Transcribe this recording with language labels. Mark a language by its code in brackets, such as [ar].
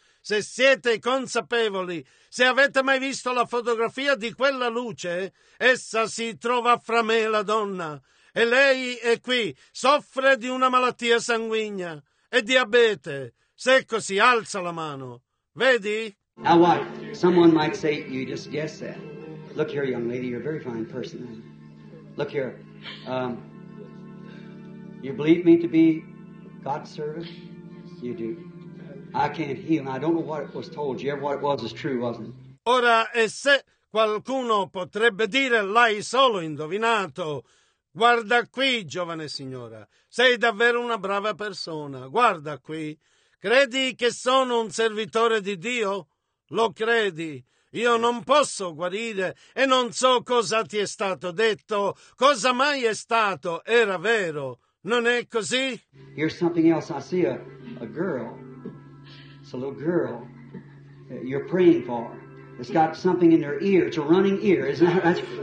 [it] Se siete consapevoli, se avete mai visto la fotografia di quella luce, essa si trova fra me e la donna. E lei è qui, soffre di una malattia sanguigna e diabete. Se è così, alza la mano. Vedi? [en] Now what? Someone might say, you just guess that. Look here, young lady, you're a very fine person. Look here. You believe me to be God's servant? You do. I can't heal. I don't know what it was told you. What it was true, wasn't it? [it] Ora, e se qualcuno potrebbe dire, l'hai solo indovinato. Guarda qui, giovane signora. Sei davvero una brava persona. Guarda qui. Credi che sono un servitore di Dio? Lo credi? Io non posso guarire e non so cosa ti è stato detto, cosa mai è stato, era vero, non è così? [en] Here's something else. I see a girl. It's a little girl you're praying for. It's got something in her ear. It's a running ear, isn't that right?